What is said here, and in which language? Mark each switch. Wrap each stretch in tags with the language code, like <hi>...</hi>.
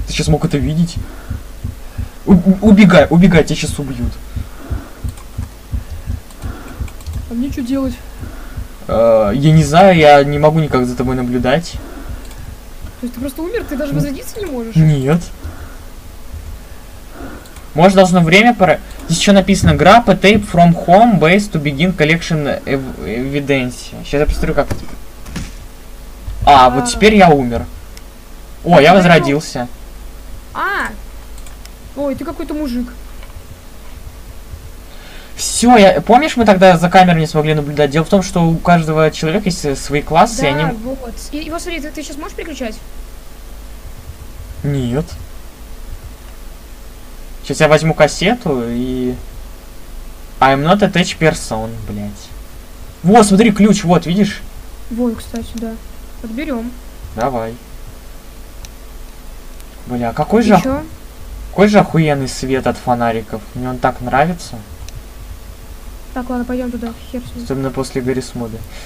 <ru>Ты сейчас мог это видеть. Убегай, тебя сейчас убьют. А мне что делать? Я не знаю, я не могу никак за тобой наблюдать. То есть ты просто умер, ты даже возродиться не можешь? Нет. Может, должно время пора... Здесь что написано?</ru> <en>Grab a tape from home base to begin collection evidence.</en> <ru>Сейчас я посмотрю, как... вот теперь я умер. О, я возродился. А, Ой, ты какой-то мужик. Все, я помнишь, мы тогда за камерой не смогли наблюдать. Дело в том, что у каждого человека есть свои классы, да, и они. Да, вот. И вот смотри, ты сейчас можешь переключать? Нет. Сейчас я возьму кассету и.</ru> <en>I'm not a touch person,</en> <ru>блять. Вот, смотри, ключ, вот, видишь? Вон, кстати, да. Подберем. Давай. Бля, какой и же. Чё? Какой же охуенный свет от фонариков. Мне он так нравится. Так, ладно, пойдем туда, хер с ним. Особенно после Гаррис Моды.</ru>